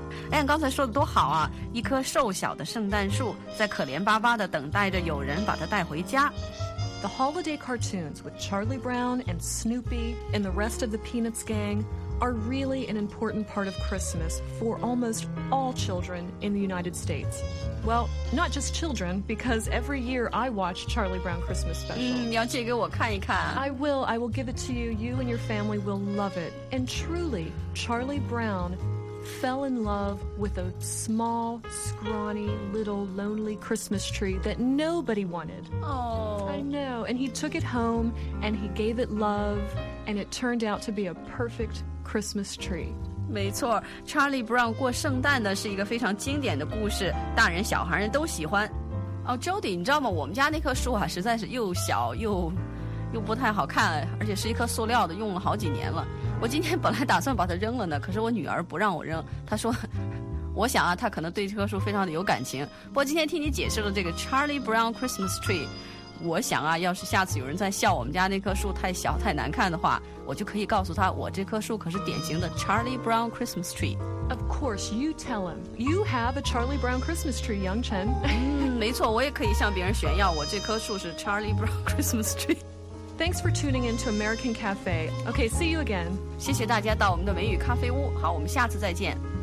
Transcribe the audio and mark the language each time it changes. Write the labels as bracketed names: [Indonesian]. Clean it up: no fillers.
[Chinese] Anne 刚才说的多好啊，一棵瘦小的圣诞树在可怜巴巴地等待着有人把它带回家。 [English] The holiday cartoons with Charlie Brown and Snoopy and the rest of the Peanuts gang... are really an important part of Christmas for almost all children in the United States. Well, not just children, because every year I watch Charlie Brown Christmas Special. [Chinese] 嗯，你要借给我看一看。 [English] I will give it to you. You and your family will love it. And truly, Charlie Brown fell in love with a small, scrawny, little, lonely Christmas tree that nobody wanted. Oh. I know. And he took it home, and he gave it love, and it turned out to be a perfect Christmas tree. [Chinese] 没错 ,Charlie Brown 过圣诞呢是一个非常经典的故事,大人小孩人都喜欢。哦 ,Jody, 你知道吗? 我们家那棵树啊实在是又小又不太好看,而且是一棵塑料的,用了好几年了。我今天本来打算把它扔了呢,可是我女儿不让我扔,她说我想啊她可能对这棵树非常的有感情。不过今天听你解释了这个 Charlie Brown Christmas tree,我想啊，要是下次有人再笑我们家那棵树太小太难看的话，我就可以告诉他，我这棵树可是典型的 Charlie Brown Christmas tree。 [English] Of course, you tell him you have a Charlie Brown Christmas tree, Yang Chen. [Chinese] 嗯，没错，我也可以向别人炫耀我这棵树是 Charlie Brown Christmas tree。 [English] Thanks for tuning in to American Cafe. Okay, see you again. [Chinese] 谢谢大家到我们的美语咖啡屋。好，我们下次再见。